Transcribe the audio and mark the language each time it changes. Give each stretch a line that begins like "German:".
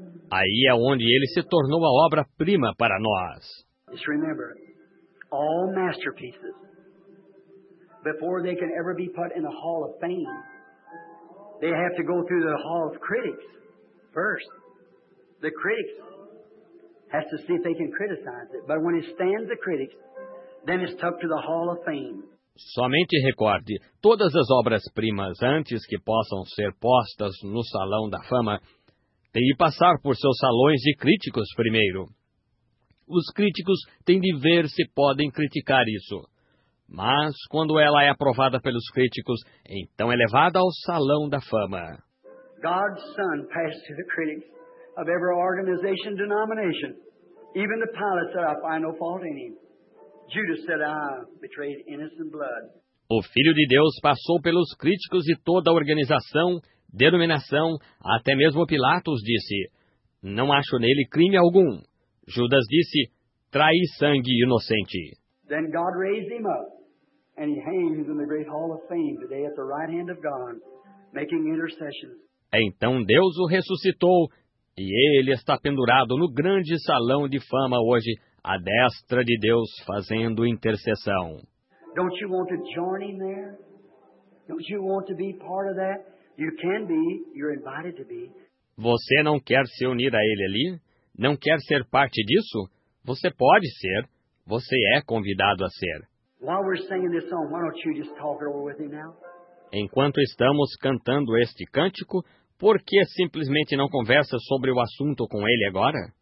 Portuguese: Aí é onde ele se tornou a obra-prima para nós.
English: Just remember, all masterpieces, before they can ever be put in the hall of fame, they have to go through the hall of critics first. The critics has to see if they can criticize it. But when it stands the critics, then it's up to the hall of fame.
Portuguese: Somente recorde, todas as obras-primas antes que possam ser postas no salão da fama, têm de passar por seus salões de críticos primeiro. Os críticos têm de ver se podem criticar isso. Mas quando ela é aprovada pelos críticos, então é levada ao salão da fama.
English: God's Son passed to the critics of every organization, denomination. Even the pilot said, I find no fault in him. Judas said, I betrayed innocent blood.
Portuguese: O Filho de Deus passou pelos críticos e toda a organização, denominação, até mesmo Pilatos disse, não acho nele crime algum. Judas disse, traí sangue inocente.
English: Then God raised him up, and he hangs in the great hall of fame today at the right hand of God, making intercessions.
Portuguese: Então Deus o ressuscitou, e ele está pendurado no grande salão de fama hoje, à destra de Deus, fazendo intercessão.
English: Don't you want to join him there? Don't you want to be part of that? You can be, you're invited to be.
Portuguese: Você não quer se unir a ele ali? Não quer ser parte disso? Você pode ser. Você é convidado a ser.
English: While we're singing this song, why don't you just talk it over with me now?
Portuguese: Enquanto estamos cantando este cântico, por que simplesmente não conversa sobre o assunto com ele agora?